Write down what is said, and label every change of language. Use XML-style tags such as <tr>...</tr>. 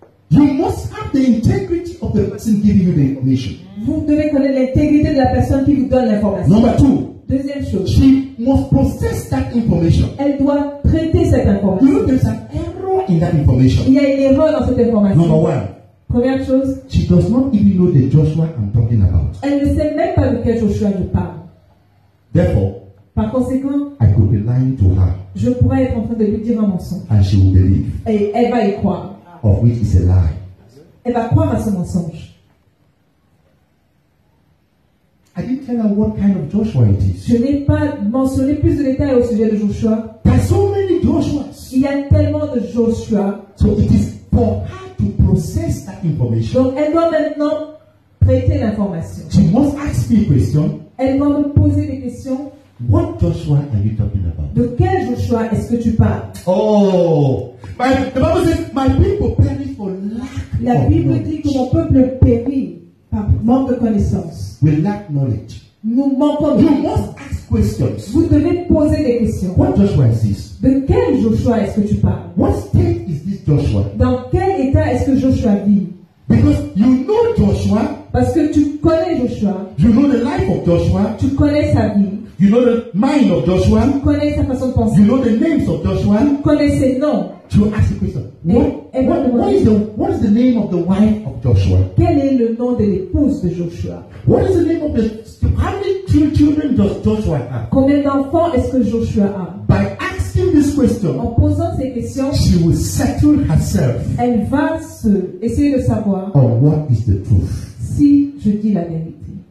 <en>You must have the integrity of the person giving you the information.</en> <fr>Vous devez connaître l'intégrité de la personne qui vous donne l'information.</fr> <en>Number two.</en> <fr>Deuxième chose.</fr> <en>She must process that information.</en> <fr>Elle doit traiter cette information.</fr> <en>You know, there's an error in that information.</en> <fr>Il y a une erreur dans cette information.</fr> <en>Number one.</en> <fr>Première chose,</fr> <en>she does not even know the Joshua I'm talking about.</en> <fr>Elle ne sait même pas de quel Joshua je parle.</fr> <en>Therefore,</en> <fr>par conséquent,</fr> <en>I could be lying to her.</en> <fr>Je pourrais être en train de lui dire un mensonge.</fr> <en>And she will believe.</en> <fr>Et elle va y croire.</fr> <en>Of which is a lie.</en> <fr>Elle va croire à ce mensonge.</fr> <en>I didn't tell her what kind of Joshua it is.</en> <fr>Je n'ai pas mentionné plus de détails au sujet de Joshua.</fr> <en>There's so many Joshuas.</en> <fr>Il y a tellement de Joshua.</fr> <en>So it is for her to process that information.</en> <fr>Donc elle doit maintenant traiter l'information.</fr> <en>She must ask me a question.</en> <fr>Elle va me poser des questions.</fr> <en>What Joshua are you talking about?</en> <fr>De quel Joshua est-ce que tu parles?</fr> <en>Oh, the Bible says, my people perish for lack of knowledge.</en> <fr>La Bible dit que mon peuple périt par manque de connaissance.</fr> <en>We lack knowledge.</en> <fr>Nous manquons.</fr> <en>You must ask questions.</en> <fr>Vous devez poser des questions.</fr> <en>What Joshua is this?</en> <fr>De quel Joshua est-ce que tu parles?</fr> <en>What state is this Joshua?</en> <fr>Dans quel état est-ce que Joshua vit?</fr> <en>Because you know Joshua.</en> <fr>Parce que tu connais Joshua.</fr> <en>You know the life of Joshua.</en> <fr>Tu connais sa vie.</fr> <en>You know the mind of Joshua.</en> <fr>Tu connais sa façon de penser.</fr> <en>You know the names of Joshua.</en> <fr>Tu connais ses noms.</fr> <en>You ask the question. What is the name of the wife of Joshua?</en> <fr>Quel est le nom de l'épouse de Joshua?</fr> <en>What is the name of the, how many children does Joshua have?</en> <fr>Combien d'enfants est-ce que Joshua a?</fr> <en>By asking this question,</en> <fr>en posant ces questions,</fr> <en>she will settle herself.</en> <fr>Elle va se essayer de savoir.</fr> <en>On what is the truth?</en> <fr>Si je dis la vérité.</fr>